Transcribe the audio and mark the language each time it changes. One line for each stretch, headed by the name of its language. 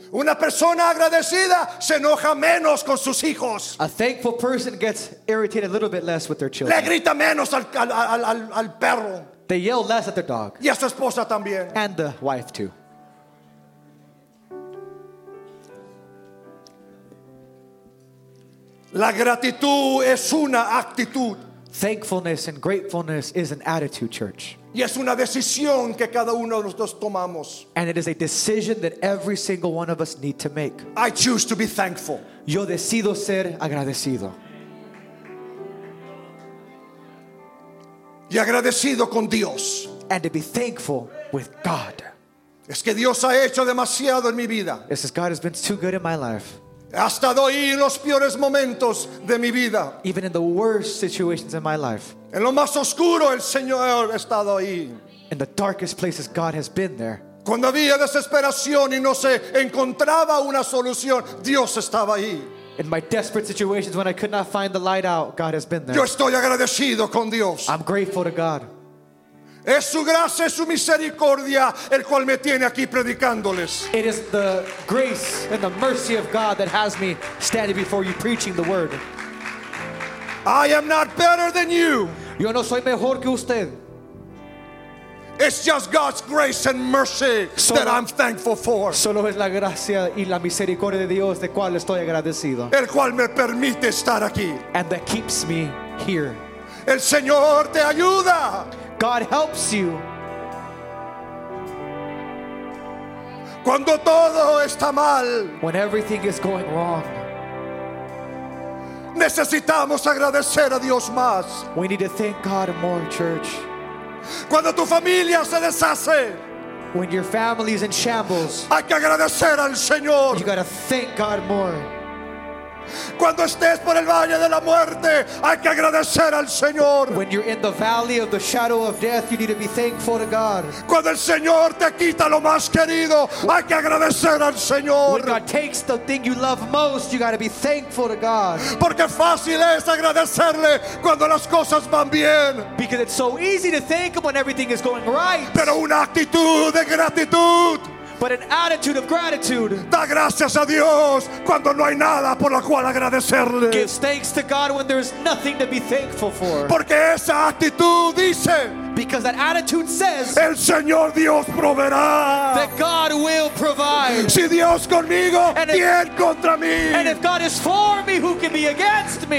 Spanish: Una persona agradecida se enoja menos con sus hijos.
English: A thankful person gets irritated a little bit less with their children.
Spanish: Le grita menos al perro.
English: They yell less at their dog.
Spanish: Y a su esposa también.
English: And the wife too.
Spanish: La gratitud es una actitud.
English: Thankfulness and gratefulness is an attitude, church.
Spanish: Y es una decisión que cada uno de nosotros tomamos.
English: And it is a decision that every single one of us need to make. I choose to be thankful.
Spanish: Yo decido ser agradecido. Y agradecido con Dios.
English: And to be thankful with God.
Spanish: Es que Dios ha hecho demasiado en mi vida.
English: It's as God has been too good in my life.
Spanish: Hasta doy los peores momentos de mi vida.
English: Even in the worst situations in my life.
Spanish: En lo más oscuro el Señor ha estado ahí.
English: In the darkest places God has been there.
Spanish: Cuando había desesperación y no se encontraba una solución, Dios estaba ahí.
English: In my desperate situations when I could not find the light out, God has been there.
Spanish: Yo estoy agradecido con Dios.
English: I'm grateful to God.
Spanish: Es su gracia, es su misericordia el cual me tiene aquí predicándoles.
English: It is the grace and the mercy of God that has me standing before you preaching the word. I am not better than you.
Spanish: Yo no soy mejor que usted.
English: It's just God's grace and mercy that I'm thankful for.
Spanish: Solo es la gracia y la misericordia de Dios de cual estoy agradecido. El cual me permite estar aquí.
English: And that keeps me here.
Spanish: El Señor te ayuda.
English: God helps you.
Spanish: Cuando todo está mal,
English: when everything is going wrong,
Spanish: necesitamos agradecer a Dios más.
English: We need to thank God more, church.
Spanish: Cuando tu familia se deshace,
English: when your family is in shambles,
Spanish: hay que agradecer al Señor.
English: You got to thank God more.
Spanish: Cuando estés por el valle de la muerte, hay que agradecer al Señor.
English: When you're in the valley of the shadow of death, you need to be thankful to God.
Spanish: Cuando el Señor te quita lo más querido, hay que agradecer al Señor.
English: When God takes the thing you love most, you got to be thankful to God.
Spanish: Porque fácil es agradecerle cuando las cosas van bien.
English: Because it's so easy to thank Him when everything is going right.
Spanish: Pero una actitud de gratitud.
English: but an attitude of gratitude.
Spanish: Da gracias a Dios cuando no hay nada por lo cual agradecerle.
English: Gives thanks to God when there is nothing to be thankful for.
Spanish: Porque esa actitud dice,
English: because that attitude says,
Spanish: el Señor Dios proveerá.
English: That God will provide.
Spanish: Si Dios conmigo, ¿quién contra mí?
English: And if God is for me, who can be against me?